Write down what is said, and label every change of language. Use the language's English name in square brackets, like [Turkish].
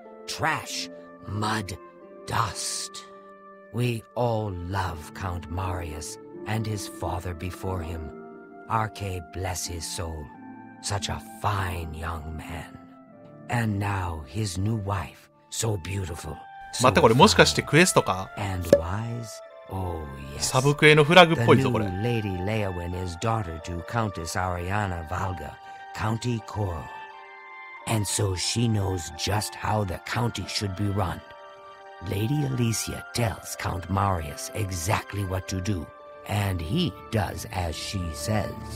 [English] Trash, mud, dust. We all love Count Marius and his father before him. RK bless his soul. Such a fine young man. And now his new wife, so beautiful. [Japanese] So またこれもしかしてクエストか？ [English] And wise? Oh, yes. [Japanese] サブクエのフラグっぽいぞこれ。 [English] The new Lady Leowen is daughter to Countess Ariana Valga, County Coral. And so she knows just how the county should be run. Lady Alicia tells Count Marius exactly what to do, and he does as she says.